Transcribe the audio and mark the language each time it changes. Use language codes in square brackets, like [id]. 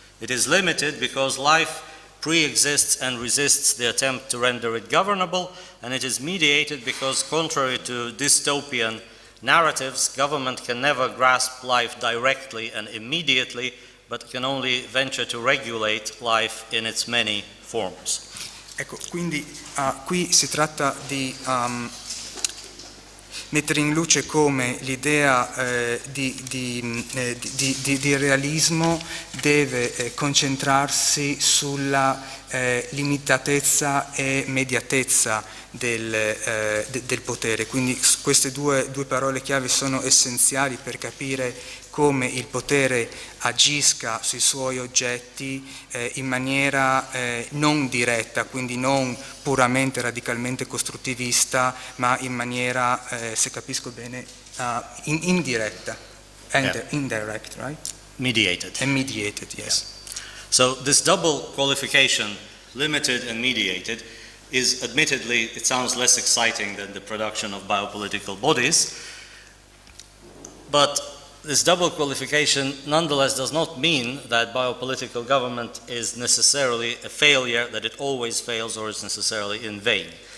[en] It is limited because life pre-exists and resists the attempt to render it governable, and it is mediated because, contrary to dystopian narratives, government can never grasp life directly and immediately, but can only venture to regulate life in its many forms. [it] Ecco, quindi qui si tratta di mettere in luce come l'idea di realismo deve concentrarsi sulla limitatezza e mediatezza del potere. Quindi queste due parole chiave sono essenziali per capire come il potere agisca sui suoi oggetti in maniera non diretta, quindi non puramente radicalmente costruttivista, ma in maniera, se capisco bene, indiretta. [en] Indirect, right? Mediated. And mediated, yes. Yeah. So this double qualification, limited and mediated, is admittedly, it sounds less exciting than the production of biopolitical bodies, but this double qualification nonetheless does not mean that biopolitical government is necessarily a failure, that it always fails or is necessarily in vain.